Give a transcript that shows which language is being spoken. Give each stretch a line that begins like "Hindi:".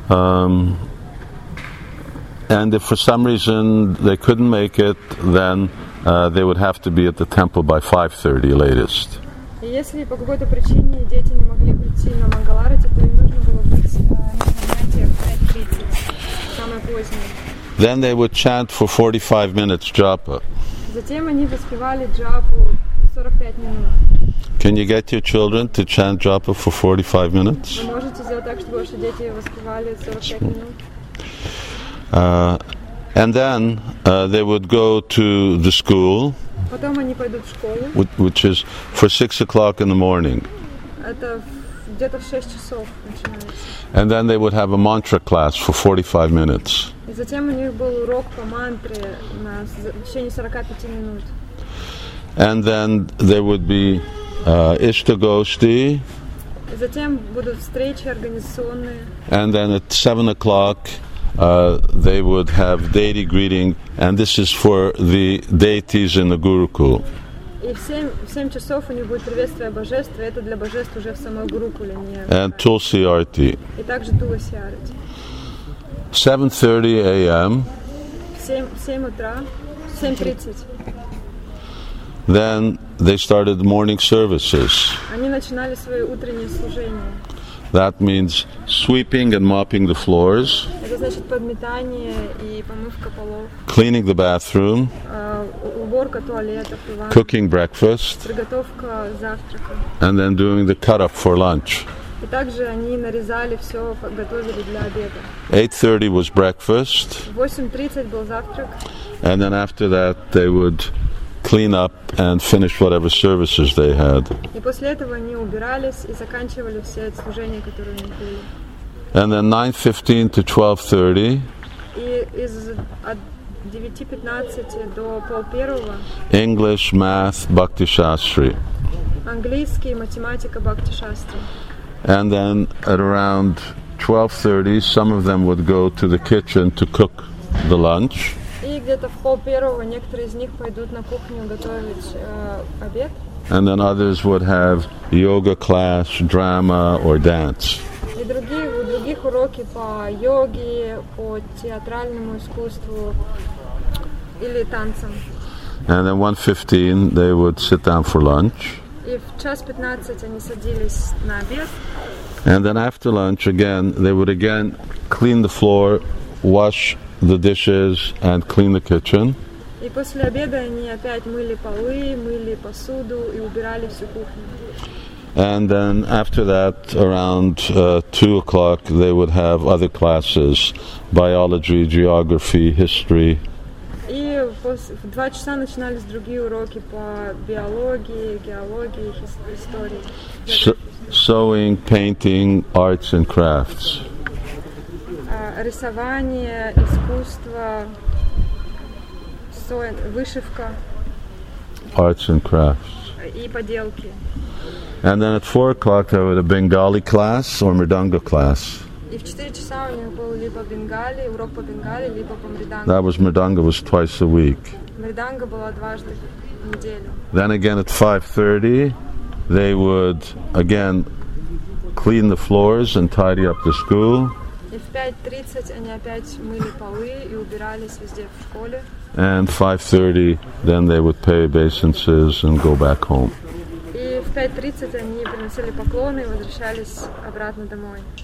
English: And if for some reason they couldn't make it, then they would have to be at the temple by 5:30 latest.
Russian: Если по какой-то причине дети не могли прийти на Мангаларати, то им нужно было быть на занятии в 5:30, самое позднее.
English: Then they would chant for 45 minutes japa.
Russian: Затем они воспевали джапу 45 минут.
English: Can you get your children to chant japa for 45 minutes?
Russian: Вы можете сделать так, чтобы ваши дети воспевали 45 минут?
English: And then they would go to the school,
Russian: потом они пойдут в школу,
English: which is for 6 o'clock in the morning.
Russian: Это где-то в 6 часов начинается.
English: And then they would have a mantra class for 45 minutes.
Russian: И затем у них был урок по мантре на течение 45 минут.
English: And then there would be ishtagoshti.
Russian: И затем будут встречи организационные.
English: And then at 7 o'clock. They would have deity greeting, and this is for the deities in the Gurukul.
Russian: И в 7 часов у них будет приветствие божества, это для божеств уже в самой Гурукуле.
English: And Tulsi Arti.
Russian: И также Tulsi Arti.
English: 7:30 a.m.
Russian: 7 утра, 7:30.
English: Then they started morning services.
Russian: Они начинали свои утренние служения.
English: That means sweeping and mopping the floors.
Russian: Это значит подметание и помывка полов.
English: Cleaning the bathroom.
Russian: Уборка туалета, ванной.
English: Cooking breakfast.
Russian: Приготовка завтрака.
English: And then doing the cut up for lunch.
Russian: И также они нарезали все, готовили для обеда.
English: 8:30 was breakfast.
Russian: 8:30 был завтрак.
English: And then after that they would clean up and finish whatever services they had.
Russian: И после этого они убирались и заканчивали все служения, которые у них были.
English: And then 9:15 to 12:30.
Russian: И из 9:15 до 12:30.
English: English, math, Bhakti Shastri.
Russian: Английский, математика, Бхакти Шастри.
English: And then at around 12:30, some of them would go to the kitchen to cook the lunch.
Russian: И где-то в пол первого некоторые из них пойдут на кухню готовить обед.
English: And then others would have yoga class, drama, or dance.
Russian: И другие у других уроки по йоге, по театральному искусству или танцам.
English: And then 1:15, they would sit down for lunch.
Russian: И в 1:15 они садились на обед.
English: And then after lunch, again, they would again clean the floor, wash the dishes and clean the kitchen.
Russian: И после обеда они опять мыли полы, мыли посуду и убирали всю кухню.
English: And then after that, around 2:00, they would have other classes: biology, geography, history.
Russian: И в 2:00 начинались другие уроки по биологии, геологии, истории.
English: Sewing, painting, arts and crafts.
Russian: Рисование, искусство, вышивка.
English: Arts and crafts.
Russian: И поделки.
English: And then at 4:00 there would be a Bengali class or mridanga class.
Russian: И в 4:00 у них был либо Бенгали, урок по Бенгали, либо по мриданге.
English: That was мриданга, was twice a week.
Russian: Мриданга была дважды в неделю.
English: Then again at 5:30 they would again clean the floors and tidy up the school.
Russian: И в 5:30 они опять мыли полы и убирались везде в школе.
English: And 5:30 then they would pay obeisances and go back home.
Russian: И в 5:30 они приносили поклоны и возвращались обратно домой.